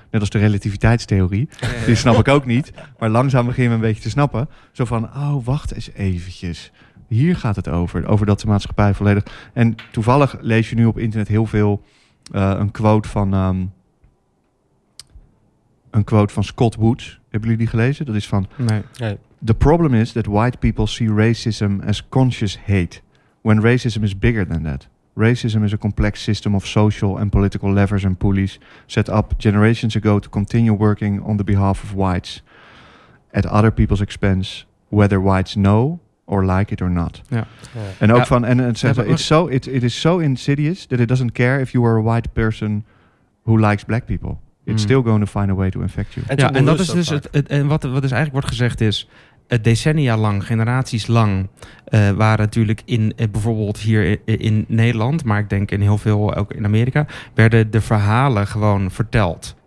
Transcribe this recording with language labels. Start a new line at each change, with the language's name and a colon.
Dutch: Net als de relativiteitstheorie. Die snap ik ook niet. Maar langzaam begin ik een beetje te snappen. Zo van, wacht eens eventjes. Hier gaat het over dat de maatschappij volledig... En toevallig lees je nu op internet heel veel een quote van Scott Woods. Hebben jullie die gelezen? Dat is van... Nee.
English: The problem is that white people see racism as conscious hate, when racism is bigger than that. Racism is a complex system of social and political levers and pulleys set up generations ago to continue working on the behalf of whites at other people's expense, whether whites know or like it or not. And
Dutch: ook van,
English: and
Dutch: zegt,
English: it is so insidious that it doesn't care if you are a white person who likes black people. It's still going to find a way to infect you.
Dutch: En dat is dus wat is eigenlijk wordt gezegd is, decennia lang, generaties lang, waren natuurlijk in bijvoorbeeld hier in Nederland, maar ik denk in heel veel ook in Amerika, werden de verhalen gewoon verteld.